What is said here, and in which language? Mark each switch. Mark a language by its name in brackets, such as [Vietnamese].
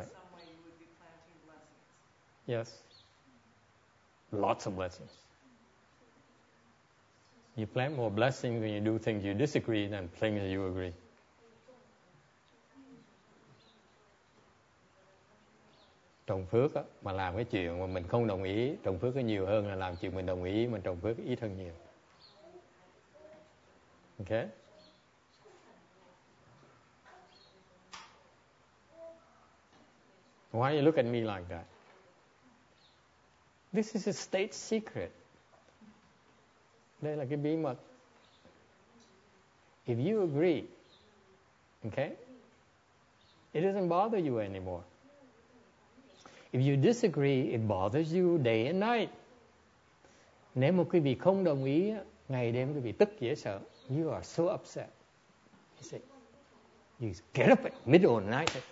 [English] in some way you would be planting blessings. Yes. Lots of blessings. You plant more blessings when you do things you disagree than things you agree. [Vietnamese] Trồng phước á, mà làm cái chuyện mà mình không đồng ý, trồng phước có nhiều hơn là làm chuyện mình đồng ý, mình trồng phước ít hơn nhiều. [English] Okay? Why you look at me like that? This is a state secret. [Vietnamese] Đây là cái bí mật. [English] If you agree, okay, it doesn't bother you anymore. If you disagree, it bothers you day and night. [Vietnamese] Nếu mà quý vị không đồng ý, ngày đêm quý vị tức dễ sợ. [English] You are so upset. You say, you get up at middle of the night.